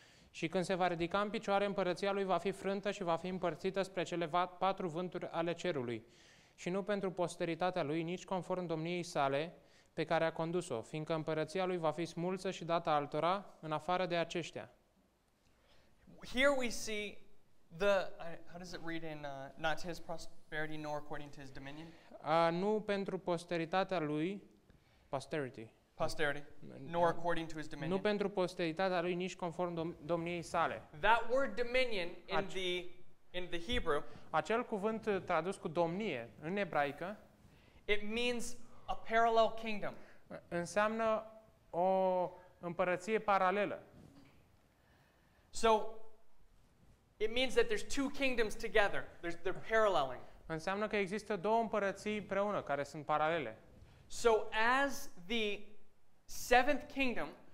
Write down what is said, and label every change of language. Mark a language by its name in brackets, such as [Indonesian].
[Romanian] Și când se va ridica în picioare, împărăția lui va fi frântă și va fi împărțită spre cele patru vânturi ale cerului. Și nu pentru posteritatea lui, nici conform domniei sale pe care a condus-o, fiindcă împărăția lui va fi smulsă și dată altora în afară de aceștia. [English] Here we see the, how does it read in, not his prosperity nor according to his dominion? [Romanian] Nu pentru posteritatea lui, posterity. [English] Posterity, nor according to his dominion. [Romanian] Nu pentru posteritatea lui, nici conform domniei sale. [English] That word dominion in the Hebrew, [Romanian] acel cuvânt tradus cu domnie în ebraică, [English] it means a parallel kingdom. [Romanian] Înseamnă o împărăție paralelă. [English] So it means that there's two kingdoms together. They're paralleling. [Romanian] Înseamnă că există două împărății împreună care sunt paralele. [English] So as the seventh kingdom